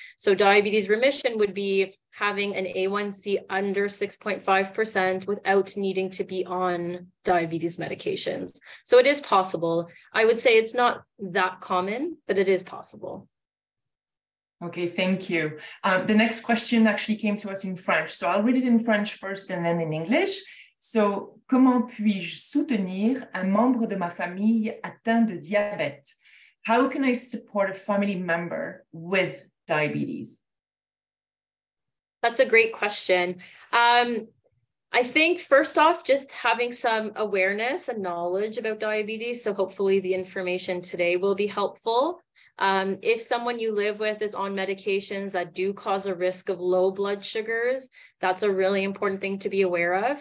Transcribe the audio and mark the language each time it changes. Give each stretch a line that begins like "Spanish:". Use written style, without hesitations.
English: So diabetes remission would be having an A1C under 6.5% without needing to be on diabetes medications. So it is possible. I would say it's not that common, but it is possible. Okay, thank you. The next question actually came to us in French. So I'll read it in French first and then in English.
French: So, comment puis-je soutenir un membre de ma famille atteint de diabète?
English: How can I support a family member with diabetes? That's a great question. I think first off, just having some awareness and knowledge about diabetes. So hopefully the information today will be helpful. If someone you live with is on medications that do cause a risk of low blood sugars, that's a really important thing to be aware of.